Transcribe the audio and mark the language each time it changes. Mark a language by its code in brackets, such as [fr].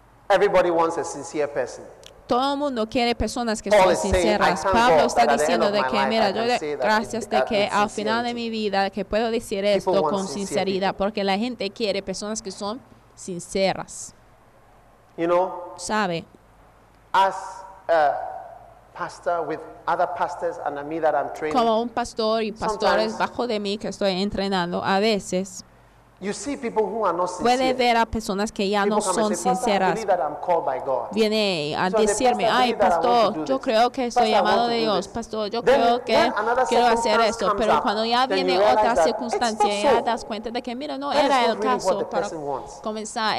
[en] Everybody wants a sincere person. [es] Todo el mundo quiere personas que son sinceras. Pablo está diciendo de que, mira, yo gracias de que al final de mi vida que puedo decir esto con sinceridad, porque la gente quiere personas que son sinceras. [en] You know, [es] sabe, [en] as pastor with other pastors under me that I'm training. [es] Como un pastor y pastores bajo de mí que estoy entrenando, a veces [en] You see people who are not sincere. [es] Puede ver a personas que ya no son sinceras. Viene a decirme, ay, pastor, yo creo que estoy llamado de Dios. Pastor, yo creo que quiero hacer esto. Pero cuando ya viene otra circunstancia, ya das cuenta de que, mira, no era el caso para comenzar.